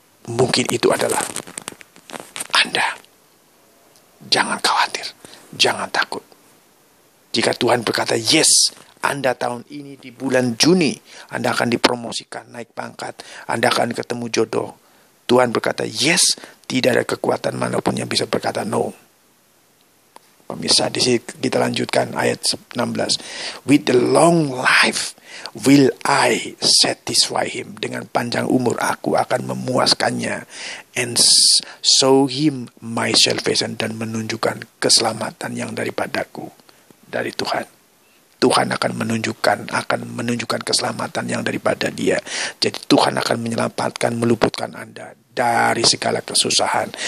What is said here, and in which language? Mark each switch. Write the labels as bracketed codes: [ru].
[id] Mungkin itu adalah Anda. Jangan khawatir, jangan takut. Jika Tuhan berkata yes, Anda tahun ini di bulan Juni, Anda akan dipromosikan, naik pangkat, Anda akan ketemu jodoh. Tuhan berkata yes, tidak ada kekuatan manapun yang bisa berkata no. Pemirsa, di sini kita lanjutkan ayat 16. [en] With the long life will I satisfy him. [id] Dengan panjang umur aku akan memuaskannya. [en] And show him my salvation, [id] dan menunjukkan keselamatan yang daripadaku, dari Tuhan. Tuhan akan menunjukkan keselamatan yang daripada dia. Jadi Tuhan akan menyelamatkan, meluputkan Anda dari segala kesusahan.